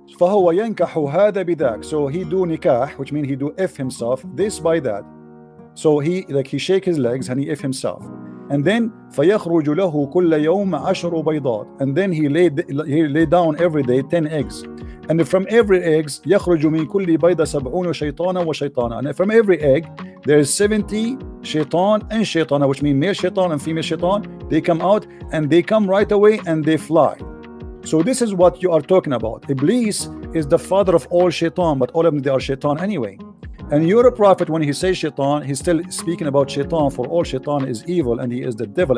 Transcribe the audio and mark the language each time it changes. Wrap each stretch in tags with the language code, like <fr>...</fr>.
<en>So he do nikah, which means he do if himself, this by that. So he shake his legs and he if himself. And then</en> <ar>فيخرج له كل يوم عشر بيضات.</ar> <en>And then he lay down every day 10 eggs. And from every eggs</en> <ar>يخرج من كل بيضة سبعون شيطانا وشيطانا.</ar> <en>And from every egg there is 70 شيطان and شيطانا, which mean male شيطان and female شيطان. They come out and they come right away and they fly. So this is what you are talking about. Iblis is the father of all شيطان, but all of them, they are شيطان anyway. And your prophet, when he says shaitan, he's still speaking about shaitan, for all shaitan is evil and he is the devil.</en>